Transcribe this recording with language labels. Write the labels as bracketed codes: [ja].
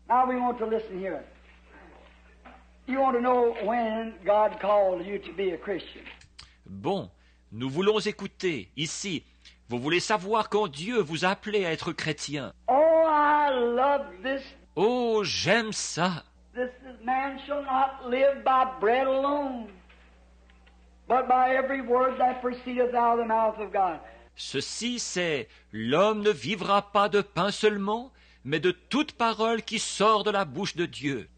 [en] Now we want to listen here. You want to know when God called you to be a Christian. [fr] Bon, nous voulons écouter ici. Vous voulez savoir quand Dieu vous a appelé à être chrétien. [en] Oh, I love this. [fr] Oh, j'aime ça. [en] This man shall not live by bread alone, but by every word that proceedeth out of the mouth of God. [fr] Ceci, c'est l'homme ne vivra pas de pain seulement, mais de toute parole qui sort de la bouche de Dieu.